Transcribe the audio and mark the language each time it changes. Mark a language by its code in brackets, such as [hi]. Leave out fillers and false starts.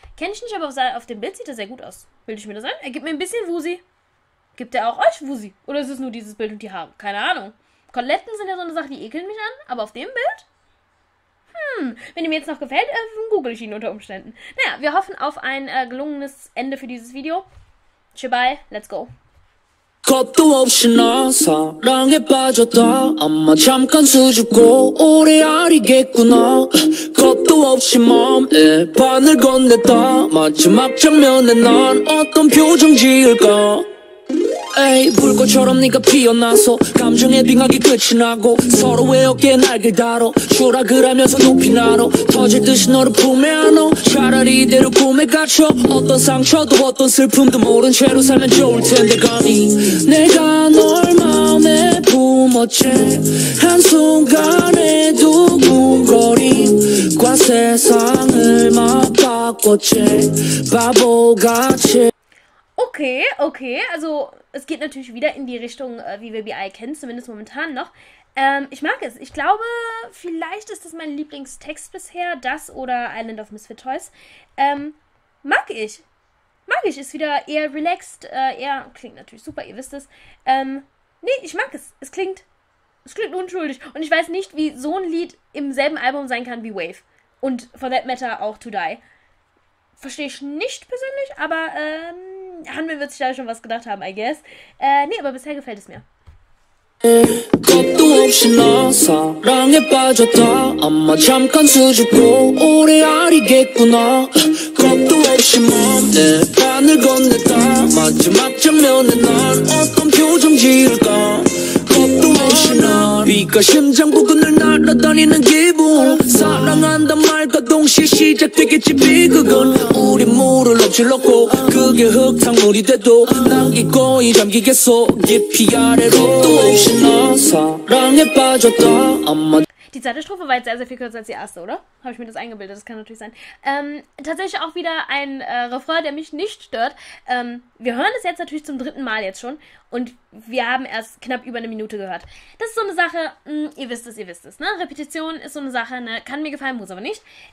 [de] Kenne ich nicht, aber auf dem Bild sieht er sehr gut aus. Bilde ich mir das ein? Er gibt mir ein bisschen Wusi. Gibt er auch euch Wusi? Oder ist es nur dieses Bild und die Haare? Keine Ahnung. Koletten sind ja so eine Sache, die ekeln mich an, aber auf dem Bild? Wenn ihr mir jetzt noch gefällt, google ich ihn unter Umständen. Naja, wir hoffen auf ein gelungenes Ende für dieses Video. [en] Chibai, let's go. [ko] 겁도 없이 나 사랑에 빠졌다 아마 잠깐 수줍고 오래 아리겠구나 겁도 없이 맘에 반을 건넸다 마지막 장면에 난 어떤 표정 지을까 에이 불꽃처럼 네가 피어나서 감정의 빙하기 끝이 나고 서로의 어깨에 날개 달어 추락을하면서 높이 날아 터질 듯이 너를 품에 안어 차라리 이대로 꿈에 갇혀 어떤 상처도 어떤 슬픔도 모른 채로 살면 좋을 텐데 감히 내가 널 마음에 품어 채 한순간에도 궁거림과 세상을 막 바꿔 채 바보같이 Okay, okay. [de] Also es geht natürlich wieder in die Richtung, wie wir B.I. kennen, zumindest momentan noch. Ich mag es. Ich glaube, vielleicht ist das mein Lieblingstext bisher, das oder Island of Misfit Toys. Mag ich. Mag ich. Ist wieder eher relaxed, eher, klingt natürlich super, ihr wisst es. Nee, ich mag es. Es klingt unschuldig. Und ich weiß nicht, wie so ein Lied im selben Album sein kann wie Wave. Und [en] for that matter [de] auch To Die. Verstehe ich nicht persönlich, aber Hanmin wird sich da schon was gedacht haben, [en] I guess. [de] Nee, aber bisher gefällt es mir. [ko] 겁도 없이 나 사랑에 빠졌다 아마 잠깐 수줍고 오래 아리겠구나 겁도 없이 맘에 반을 건넸다 마지막 장면에 난 어떤 표정 지을까 겁도 없이 나 비가 심장 부근을 날아다니는 기분 사랑한다 말과 동시에 시작되겠지 비극은 우리 물을 엎질렀고 그게 흙탕물이 돼도 난 기꺼이 잠기겠어 깊이 아래로 겁도 없이 나 사랑에 빠졌다 아마 [de] Die zweite Strophe war jetzt sehr, sehr viel kürzer als die erste, oder? Habe ich mir das eingebildet, das kann natürlich sein. Tatsächlich auch wieder ein Refrain, der mich nicht stört. Wir hören es jetzt natürlich zum dritten Mal jetzt schon und wir haben erst knapp über eine Minute gehört. Das ist so eine Sache, ihr wisst es, ne? Repetition ist so eine Sache, ne? Kann mir gefallen, muss aber nicht.